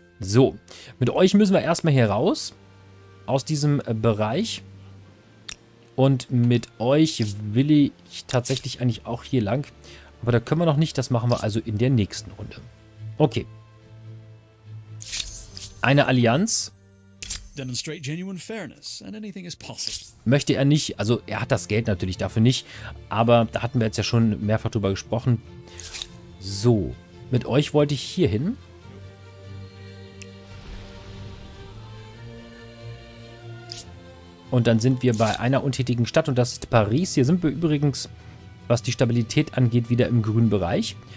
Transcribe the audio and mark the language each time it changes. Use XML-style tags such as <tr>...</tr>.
<de>So, mit euch müssen wir erstmal hier raus aus diesem Bereich und mit euch will ich tatsächlich eigentlich auch hier lang, aber da können wir noch nicht, das machen wir also in der nächsten Runde. Okay. Eine Allianz.</de> <en>Demonstrate genuine fairness and anything is possible.</en> <de>Möchte er nicht, also er hat das Geld natürlich dafür nicht, aber da hatten wir jetzt ja schon mehrfach drüber gesprochen. So, mit euch wollte ich hier hin. Und dann sind wir bei einer untätigen Stadt und das ist Paris. Hier sind wir übrigens, was die Stabilität angeht, wieder im grünen Bereich.</de>